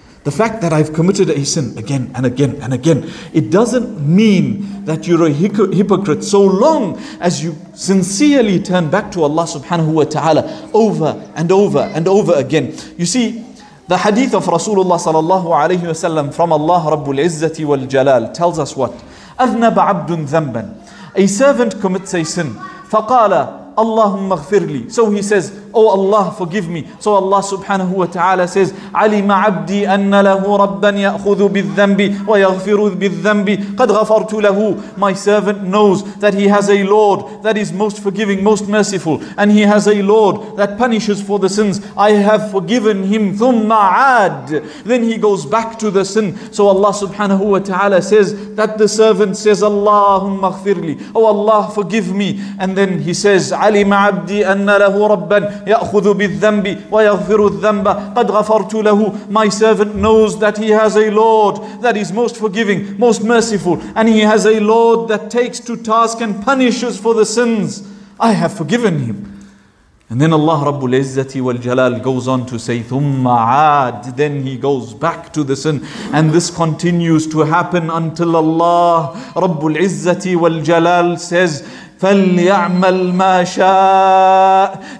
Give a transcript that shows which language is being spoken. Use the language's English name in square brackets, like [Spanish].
[English] The fact that I've committed a sin again and again and again, it doesn't mean that you're a hypocrite, so long as you sincerely turn back to Allah subhanahu wa ta'ala over and over and over again. You see, the hadith of Rasulullah sallallahu alayhi wa sallam from Allah Rabbul Izzati wal Jalal tells us what? [Arabic] أَذْنَبَ عَبْدٌ ذَنْبًا. [English] A servant commits a sin. [Arabic] فَقَالَ اللَّهُمَّ اغْفِرْ لِي. [English] So he says, oh Allah, forgive me. So Allah subhanahu wa ta'ala says, [Arabic] عَلِمَ عَبْدِي أَنَّ لَهُ رَبًّا يَأْخُذُ بِالذَّنْبِ وَيَغْفِرُ بِالذَّنْبِ قَدْ غَفَرْتُ لَهُ. [English] My servant knows that he has a Lord that is most forgiving, most merciful. And he has a Lord that punishes for the sins. I have forgiven him. [Arabic] ثُمَّ عَاد. [English] Then he goes back to the sin. So Allah subhanahu wa ta'ala says that the servant says, [Arabic] اللَّهُمَّ اغْفِرْ لِي. [English] Oh Allah, forgive me. And then he says, [Arabic] عَلِمَ عَبْدِي أَنَّ لَهُ رَبًّا يَأْخُذُ بِالذَّنْبِ وَيَغْفِرُ الذَّنْبَ قَدْ غَفَرْتُ لَهُ. [English] My servant knows that he has a Lord that is most forgiving, most merciful, and he has a Lord that takes to task and punishes for the sins. I have forgiven him. And then Allah Rabbul Izzati wal Jalal goes on to say, [Arabic] ثُمَّ عَاد. [English] Then he goes back to the sin. And this continues to happen until Allah Rabbul Izzati wal Jalal says, [Arabic] فَلْيَعْمَلْ مَا شَاءَ.